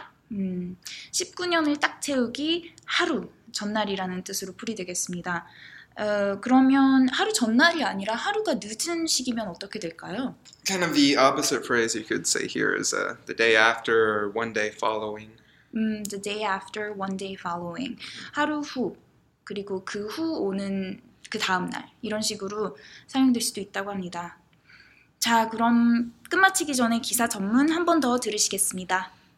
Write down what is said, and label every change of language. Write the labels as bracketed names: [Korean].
[Korean] 19년을 딱 채우기 하루 전날이라는 뜻으로 풀이 되겠습니다. 그러면 하루 전날이 아니라 하루가 늦은 시기면 어떻게 될까요? [English] Kind of the opposite phrase you could say here is the day after or one day following. The day after, one day following. [Korean] 하루 후, 그리고 그 후 오는 그 다음 날. 이런 식으로 사용될 수도 있다고 합니다. 자, 그럼 끝마치기 전에 기사 전문 한 번 더 들으시겠습니다.